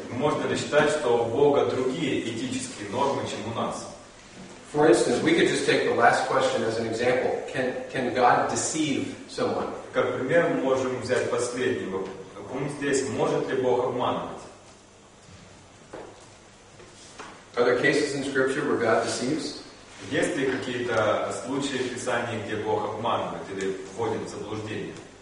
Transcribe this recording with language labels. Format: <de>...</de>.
<ru>Можно ли считать, что у Бога другие этические нормы, чем у нас?</ru> <en>For instance, we could just take the last question as an example. Can God deceive someone?</en> <ru>Как пример, мы можем взять последний вопрос. Помните здесь, может ли Бог обманывать?</ru> <en>Are there cases in Scripture where God deceives?</en> <ru>Есть ли какие-то случаи в Писании, где Бог обманывает или вводит в заблуждение?</ru>